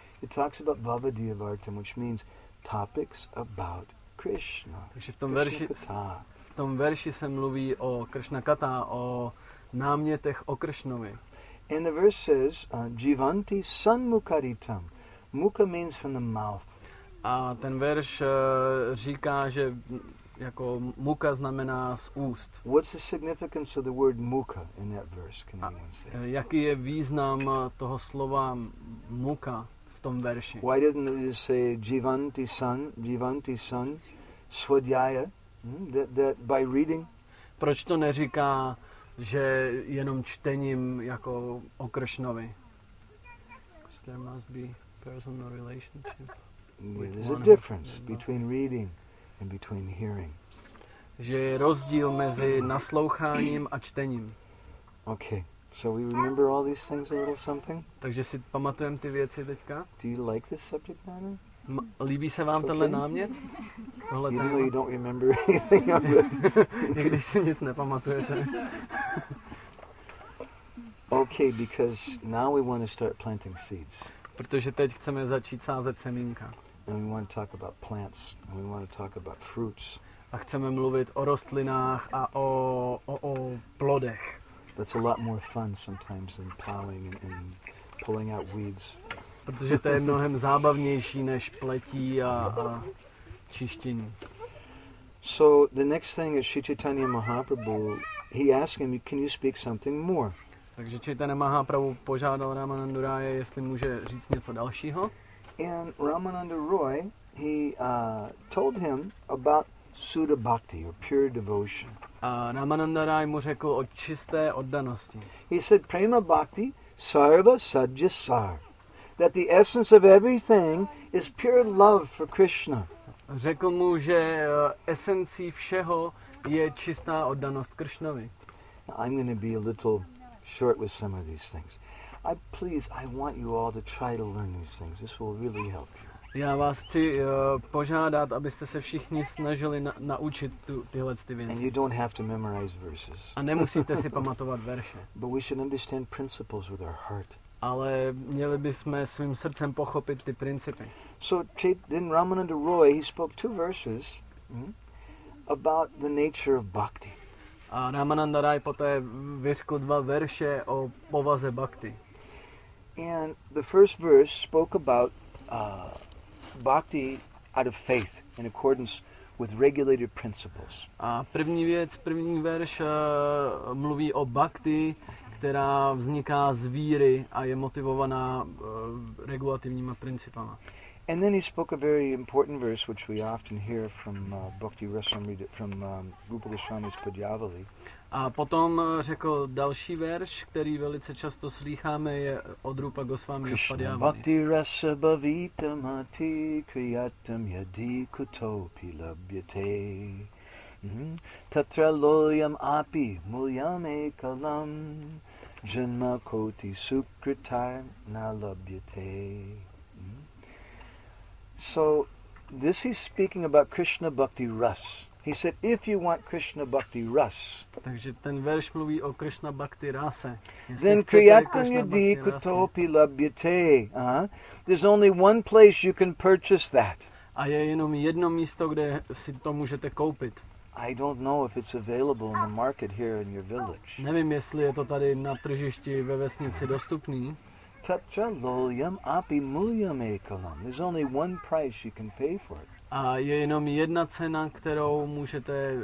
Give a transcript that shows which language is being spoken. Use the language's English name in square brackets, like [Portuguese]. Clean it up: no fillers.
[English] It talks about bhavadiyavartam, which means topics about Krishna. [Czech] Takže v tom verši. V tom verši se mluví o Krishna Kata, o námětech o Kršnovi. [English] And the verse says, [Sanskrit] jivanti sanmukaritam. [English] Mukha means from the mouth. [Czech] A ten verš říká, že jako mukha znamená z úst. [English] What's the significance of the word mukha in that verse? Can you say? [Czech] Jaký je význam toho slova mukha v tom verši? [English] Why didn't it say [Sanskrit] jivanti san svadhyaya? [English] That by reading. [Czech] Proč to neříká, že jenom čtením jako o Kršnovi? [English] Because there must be personal relationship. Yeah, there's a difference between reading and between hearing. [Czech] Že je rozdíl mezi nasloucháním a čtením. [English] Okay, so we remember all these things a little something. [Czech] Takže si pamatujeme ty věci teďka. [English] Do you like this subject matter? [Czech] Líbí se vám tenhle námět? [English] Tohle even though you don't remember anything of it. [Czech] Když si nic nepamatujete. [English] Okay, because now we want to start planting seeds. [Czech] Protože teď chceme začít sázet semínka. [English] And we want to talk about plants. And we want to talk about fruits. [Czech] A chceme mluvit o rostlinách a o plodech. [English] That's a lot more fun sometimes than plowing and pulling out weeds. [Czech] Protože to je mnohem zábavnější než pletí a čištění. [English] So the next thing is Sri Chaitanya Mahaprabhu, he asked him, can you speak something more? [Czech] Takže Chaitanya Mahaprabhu požádal Ramananda Roya, jestli může říct něco dalšího. [English] And Ramananda Roy, he told him about Sudha Bhakti, or pure devotion. [Czech] A Ramananda Roy mu řekl o čisté oddanosti. [English] He said, [Sanskrit] prema bhakti sarva sadya sar. [English] That the essence of everything is pure love for Krishna. [Czech] Řekl mu, že esencí všeho je čistá oddanost Kršnovi. [English] I'm going to be a little short with some of these things. I want you all to try to learn these things. This will really help you. [Czech] Já vás chci požádat, abyste se všichni snažili naučit tyhle ty věci. [English] And you don't have to memorize verses. [Czech] A nemusíte si pamatovat verše. [English] But we should understand principles with our heart. [Czech] Ale měli bychom svým srdcem pochopit ty principy. [English] So then Ramananda Roy, he spoke two verses about the nature of bhakti. [Czech] A Ramananda Roy poté vyřkl dva verše o povaze bhakti. [English] And the first verse spoke about bhakti out of faith in accordance with regulated principles. [Czech] A první verš mluví o bhakti, která vzniká z víry a je motivovaná regulativníma principama. [English] And then he spoke a very important verse, which we often hear from Bhakti Rasamrita, from Rupa Goswami's Padyavali. [Czech] A potom řekl další verš, který velice často slýcháme, je od Rupa Goswami z Padyavali. [Sanskrit] Bhakti rasa bhavita mati kriyatam yadi kutopi labhyate. Tatra loyam api mulyam ekalam janma koti sukritar na labhyate. [English] So, this he's speaking about Krishna Bhakti Ras. He said, if you want Krishna Bhakti Ras, [Czech] takže ten verš mluví o Krishna Bhakti Rase, [Sanskrit] then kriyatam yadi kutopi labhyate. [English] There's only one place you can purchase that. [Czech] A je jenom jedno místo, kde si to můžete koupit. [English] I don't know if it's available in the market here in your village. [Czech] Nevím, jestli je to tady na tržišti ve vesnici dostupný. [Sanskrit] Tatra loyam api mulyam ekalam. [English] There's only one price you can pay for it. [Czech] A je jenom jedna cena, kterou můžete